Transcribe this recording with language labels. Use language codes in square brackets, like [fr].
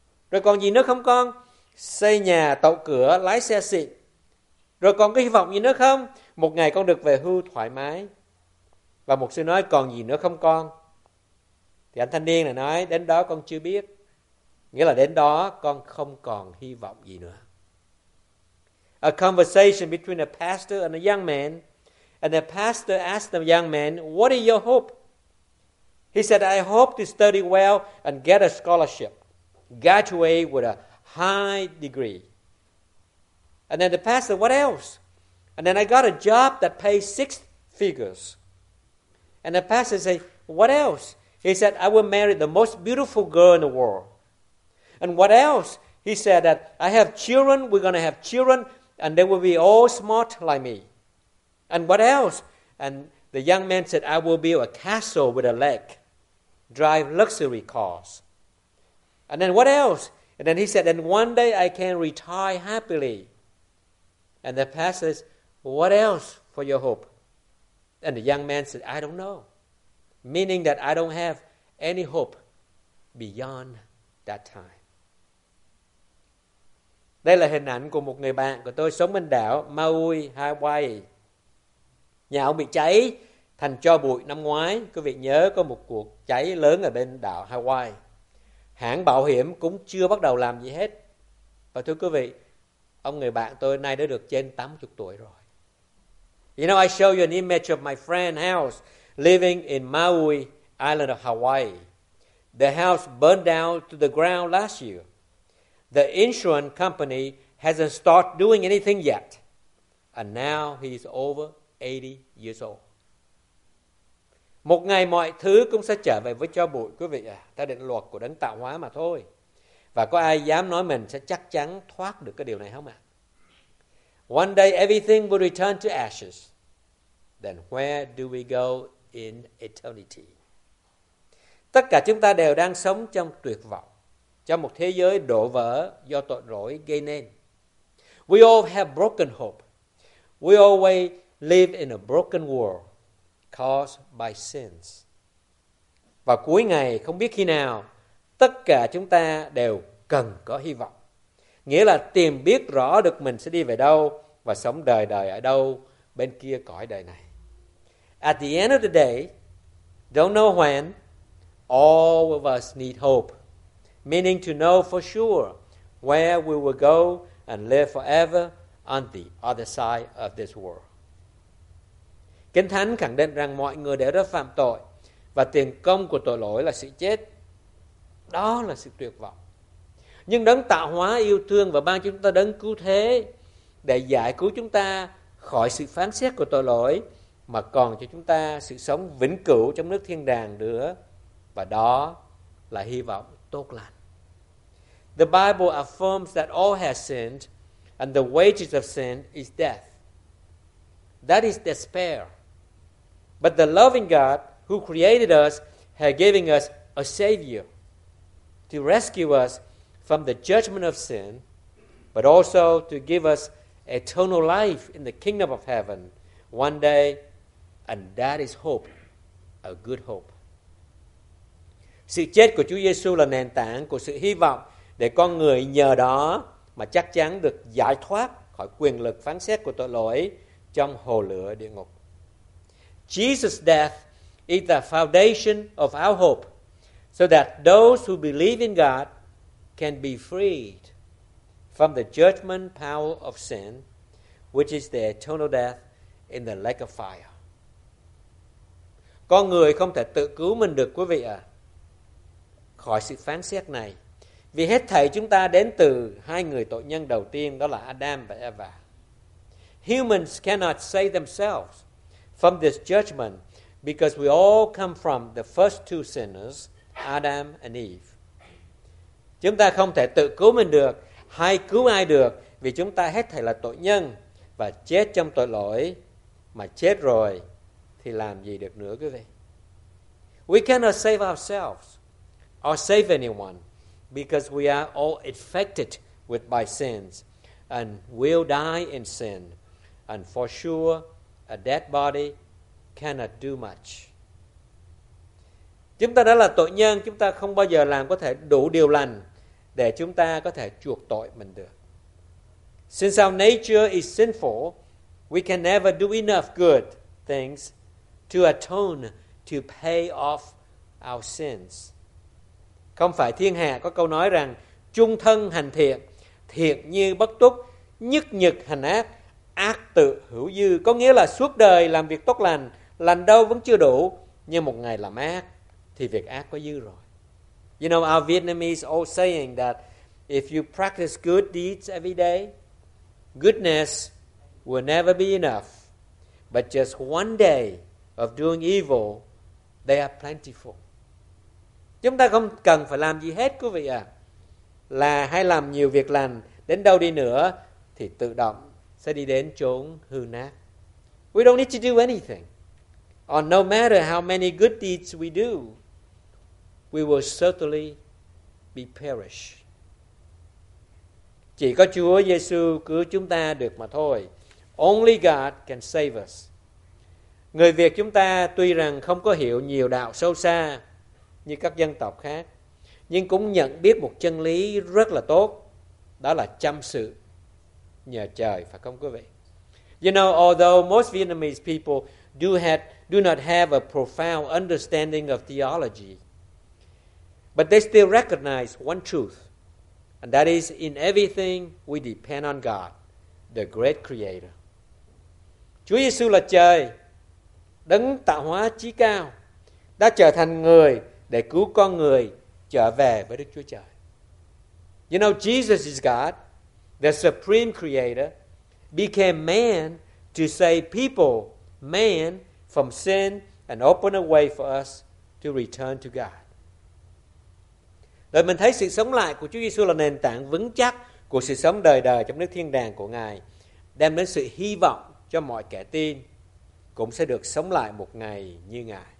[vi] Rồi còn gì nữa không con? Xây nhà, tậu cửa, lái xe xịn. Rồi còn có hy vọng gì nữa không? Một ngày con được về hưu thoải mái. Và một sư nói, còn gì nữa không con? Thì anh thanh niên này nói, đến đó con chưa biết. Nghĩa là đến đó con không còn hy vọng gì nữa. [en] A conversation between a pastor and a young man. And the pastor asked the young man, what is your hope? He said, I hope to study well and get a scholarship. Graduate with a high degree. And then the pastor, what else? And then I got a job that pays 6 figures. And the pastor said, what else? He said, I will marry the most beautiful girl in the world. And what else? He said that I have children, we're going to have children, and they will be all smart like me. And what else? And the young man said, I will build a castle with a lake, drive luxury cars. And then what else? And then he said, and one day I can retire happily. And the pastor says, what else for your hope? And the young man said, I don't know. Meaning that I don't have any hope beyond that time. [vi] Đây là hình ảnh của một người bạn của tôi sống bên đảo Maui, Hawaii. Nhà ông bị cháy thành tro bụi năm ngoái. Quý vị nhớ có một cuộc cháy lớn ở bên đảo Hawaii. Hãng bảo hiểm cũng chưa bắt đầu làm gì hết. Và thưa quý vị, ông người bạn tôi nay đã được trên 80 tuổi rồi. [en] You know, I show you an image of my friend's house living in Maui, island of Hawaii. The house burned down to the ground last year. The insurance company hasn't started doing anything yet. And now he's over 80 years old. [vi] Một ngày mọi thứ cũng sẽ trở về với tro bụi, quý vị ạ, theo định luật của đấng tạo hóa mà thôi. Và có ai dám nói mình sẽ chắc chắn thoát được cái điều này không ạ? [en] One day everything will return to ashes. Then where do we go in eternity? [vi] Tất cả chúng ta đều đang sống trong tuyệt vọng, trong một thế giới đổ vỡ do tội lỗi gây nên. [en] We all have broken hope. We always live in a broken world caused by sins. [vi] Và cuối ngày, không biết khi nào, tất cả chúng ta đều cần có hy vọng. Nghĩa là tìm biết rõ được mình sẽ đi về đâu và sống đời đời ở đâu bên kia cõi đời này. [en] At the end of the day, don't know when, all of us need hope, meaning to know for sure where we will go and live forever on the other side of this world. [vi] Kinh Thánh khẳng định rằng mọi người đều đã phạm tội và tiền công của tội lỗi là sự chết. Đó là sự tuyệt vọng. Nhưng đấng tạo hóa yêu thương và ban chúng ta đấng cứu thế để giải cứu chúng ta khỏi sự phán xét của tội lỗi mà còn cho chúng ta sự sống vĩnh cửu trong nước thiên đàng nữa. Và đó là hy vọng tốt lành. [en] The Bible affirms that all have sinned and the wages of sin is death. That is despair. But the loving God who created us has given us a Savior to rescue us from the judgment of sin, but also to give us eternal life in the kingdom of heaven one day, and that is hope, a good hope. [vi] Sự chết của Chúa Giêsu là nền tảng của sự hy vọng để con người nhờ đó mà chắc chắn được giải thoát khỏi quyền lực phán xét của tội lỗi trong hồ lửa địa ngục. [en] Jesus' death is the foundation of our hope so that those who believe in God can be freed from the judgment power of sin, which is the eternal death in the lake of fire. [vi] Con người không thể tự cứu mình được, quý vị ạ, khỏi sự phán xét này. Vì hết thảy chúng ta đến từ hai người tội nhân đầu tiên, đó là Adam và Eva. [en] Humans cannot save themselves from this judgment because we all come from the first two sinners, Adam and Eve. [vi] Chúng ta không thể tự cứu mình được hay cứu ai được vì chúng ta hết thảy là tội nhân và chết trong tội lỗi. Mà chết rồi thì làm gì được nữa, quý vị? [en] We cannot save ourselves or save anyone because we are all infected with by sins and will die in sin. And for sure, a dead body cannot do much. [vi] Chúng ta đã là tội nhân, chúng ta không bao giờ làm có thể đủ điều lành để chúng ta có thể chuộc tội mình được. [en] Since our nature is sinful, we can never do enough good things to atone, to pay off our sins. [vi] Không phải thiên hạ có câu nói rằng chung thân hành thiện, thiện như bất túc, nhất nhật hành ác, ác tự hữu dư. Có nghĩa là suốt đời làm việc tốt lành, lành đâu vẫn chưa đủ, nhưng một ngày làm ác thì việc ác có dư rồi. [en] You know, our Vietnamese old saying that if you practice good deeds every day, goodness will never be enough. But just one day of doing evil, they are plentiful. [vi] Chúng ta không cần phải làm gì hết, quý vị ạ. Là hay làm nhiều việc lành đến đâu đi nữa thì tự động sẽ đi đến chốn hư nát. [en] We don't need to do anything. Or no matter how many good deeds we do, we will certainly be perished. [vi] Chỉ có Chúa Giêsu cứu chúng ta được mà thôi. [en] Only God can save us. [vi] Người Việt chúng ta tuy rằng không có hiểu nhiều đạo sâu xa như các dân tộc khác, nhưng cũng nhận biết một chân lý rất là tốt, đó là chăm sự nhờ trời, phải không quý vị? [en] You know, although most Vietnamese people do not have a profound understanding of theology, but they still recognize one truth, and that is in everything we depend on God, the great creator. [vi] Chúa Giêsu là trời, đấng tạo hóa chí cao, đã trở thành người để cứu con người trở về với Đức Chúa Trời. [en] You know, Jesus is God. The supreme creator became man to save people, man, from sin and open a way for us to return to God. [vi] Rồi mình thấy sự sống lại của Chúa Giêsu là nền tảng vững chắc của sự sống đời đời trong nước thiên đàng của Ngài, đem đến sự hy vọng cho mọi kẻ tin cũng sẽ được sống lại một ngày như Ngài.